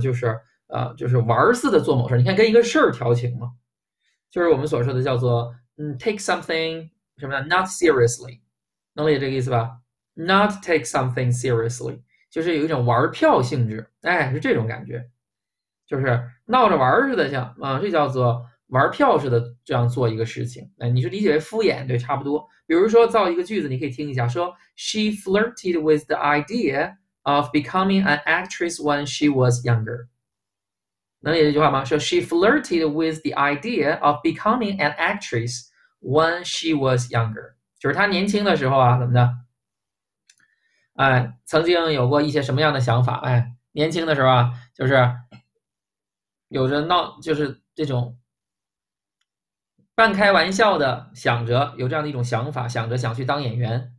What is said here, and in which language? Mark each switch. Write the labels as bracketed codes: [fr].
[zh] 就是就是玩似的做某事。你看，跟一个事儿调情嘛，就是我们所说的叫做 [en] take something [zh] 什么的 [en] not seriously， [zh] 能理解这个意思吧？ [en] Not take something seriously， [zh] 就是有一种玩票性质，哎，是这种感觉，就是闹着玩似的像，这叫做玩票似的这样做一个事情。哎，你就理解为敷衍，对，差不多。比如说造一个句子，你可以听一下，说。 [en] She flirted with the idea of becoming an actress when she was younger。 [zh] 能理解这句话吗？说 [en] She flirted with the idea of becoming an actress when she was younger。 [zh] 就是她年轻的时候啊，怎么的？哎，曾经有过一些什么样的想法？哎，年轻的时候啊，就是有着闹，就是这种半开玩笑的想着，有这样的一种想法，想着想去当演员。